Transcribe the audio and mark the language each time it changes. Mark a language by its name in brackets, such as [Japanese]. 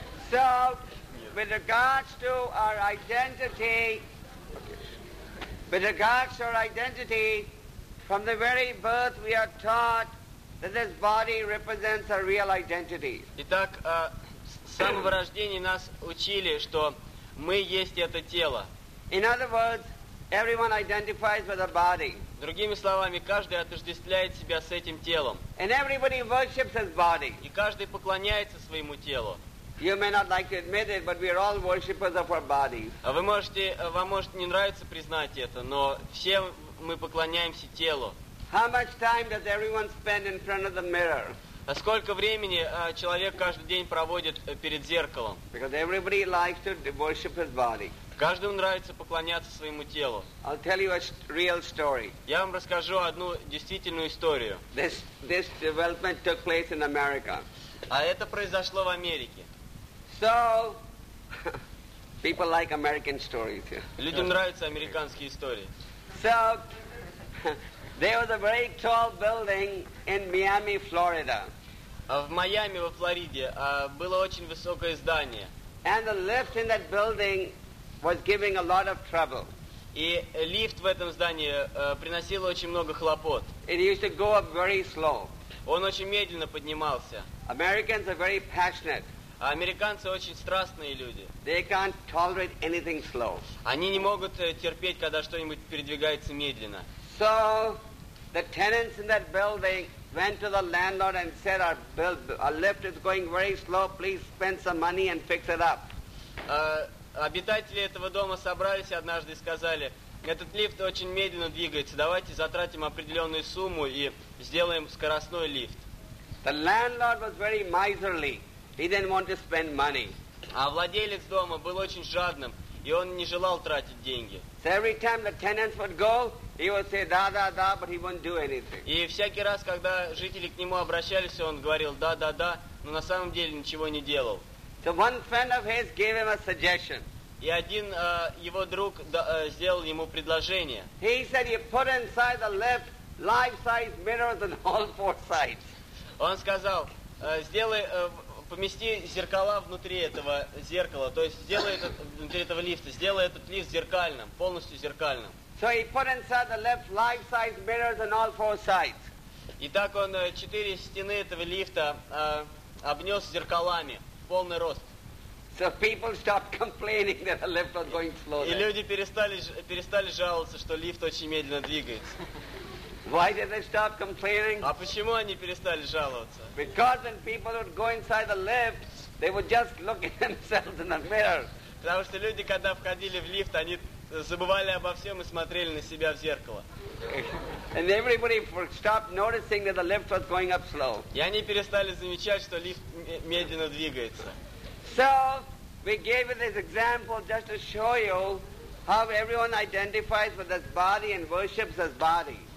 [English] So, with regards to our identity, from the very birth we are taught that this body represents our real identity. [Russian] Итак, с самого рождения нас учили, что мы есть это тело. [English] In other words, everyone identifies with a body. [Russian] Другими словами, каждый отождествляет себя с этим телом. [English] And everybody worships his body. [Russian] И каждый поклоняется своему телу. [English] You may not like to admit it, but we are all worshippers of our bodies. [Russian] Вы можете, вам может не нравиться признать это, но все мы поклоняемся телу. [English] How much time does everyone spend in front of the mirror? [Russian] Сколько времени человек каждый день проводит перед зеркалом? [English] Because everybody likes to worship his body. [Russian] Каждому нравится поклоняться своему телу. [English] I'll tell you a real story. [Russian] Я вам расскажу одну действительную историю. [English] This development took place in America. [Russian] А это произошло в Америке. [English] So, people like American stories. [Russian] Людям нравятся американские истории. [English] So, there was a very tall building in Miami, Florida. [Russian] В Майами, во Флориде, было очень высокое здание. [English] And the lift in that building was giving a lot of trouble. [Russian] И лифт в этом здании приносил очень много хлопот. [English] It used to go up very slow. [Russian] Он очень медленно поднимался. [English] Americans are very passionate. [Russian] А американцы очень страстные люди. [English] They can't tolerate anything slow. [Russian] Они не могут терпеть, когда что-нибудь передвигается медленно. [English] So the tenants in that building went to the landlord and said, our lift is going very slow. Please spend some money and fix it up. [Russian] Обитатели этого дома собрались однажды и сказали, этот лифт очень медленно двигается, давайте затратим определенную сумму и сделаем скоростной лифт. [English] The landlord was very miserly. He didn't want to spend money. [Russian] А владелец дома был очень жадным, и он не желал тратить деньги. [English] So every time the tenants would go, he would say, [Russian] да-да-да, [English] but he wouldn't do anything. [Russian] И всякий раз, когда жители к нему обращались, он говорил, да-да-да, но на самом деле ничего не делал. [English] So one friend of his gave him a suggestion. [Russian] И один его друг сделал ему предложение. [English] He said, you put inside the lift life-size mirrors on all four sides. [Russian] Он сказал, сделай, помести зеркала внутри этого зеркала, то есть сделай этот, внутри этого лифта, сделай этот лифт зеркальным, полностью зеркальным. [English] So he put inside the lift life-size mirrors on all four sides. [Russian] И так он четыре стены этого лифта обнес зеркалами. Полный рост. [English] So people stopped complaining that the lift was going slow. [Russian] И люди перестали жаловаться, что лифт очень медленно двигается. [English] Why did they stop complaining? [Russian] А почему они перестали жаловаться? [English] Because when people would go inside the lift, they would just look at themselves in the mirror. [Russian] Потому что люди, когда входили в лифт, они забывали обо всем и смотрели на себя в зеркало. [English] And everybody stopped noticing that the lift was going up slow. [Russian] И они перестали замечать, что лифт медленно двигается. [English] So we gave you this example just to show you how everyone identifies with this body and worships this body.